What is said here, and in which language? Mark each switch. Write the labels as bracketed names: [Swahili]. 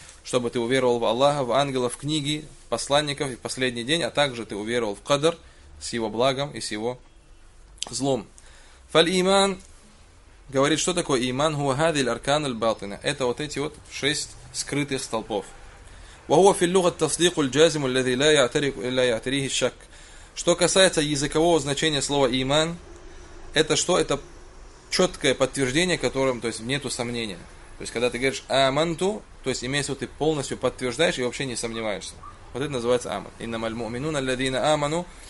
[Russian] Чтобы ты уверовал в Аллаха, в ангелов, в книги, посланников и в последний день, а также ты уверовал в кадр с его благом и с его злом. [Arabic] Фаль иман [Russian] говорит, что такое иман? [Arabic] Хуа хадил аркан аль-батина. [Russian] Это вот эти вот шесть скрытых столпов. [Arabic] وهو في اللغة التصديق الجازم الذي لا يعترق إلا يعتريه الشك. [Russian] Что касается языкового значения слова иман, это что? Это четкое подтверждение, которым, то есть, нету сомнения. То есть, когда ты говоришь аманту, то есть, имеется в виду, ты полностью подтверждаешь и вообще не сомневаешься. Вот это называется аман. [Arabic] Иннама аль-муминуна аль-лядина аману.